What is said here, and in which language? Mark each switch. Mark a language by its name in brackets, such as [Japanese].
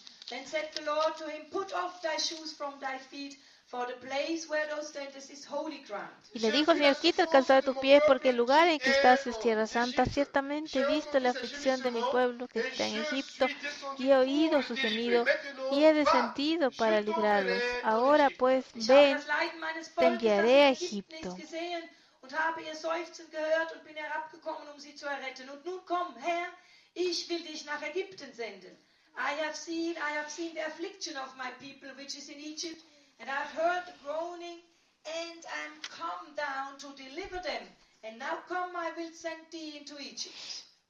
[English] Then said the Lord to him, put off thy shoes from thy feet, for the place where thou standest is holy ground. [Spanish] Y le dijo: Señor, quita el calzado de tus pies, porque el lugar en que estás es tierra santa. Ciertamente he visto la aflicción de mi pueblo que está en Egipto, y he oído su gemido, y he descendido para librarlos. Ahora pues, ven, te enviaré a Egipto. [German] Und habe ihr Seufzen gehört und bin herabgekommen, um sie zu erretten. Und nun komm, Herr, ich will dich nach Ägypten senden. [English] I have seen the affliction of my people which is in Egypt, and I have heard the groaning, and I am come down to deliver them. And now come, I will send thee into Egypt.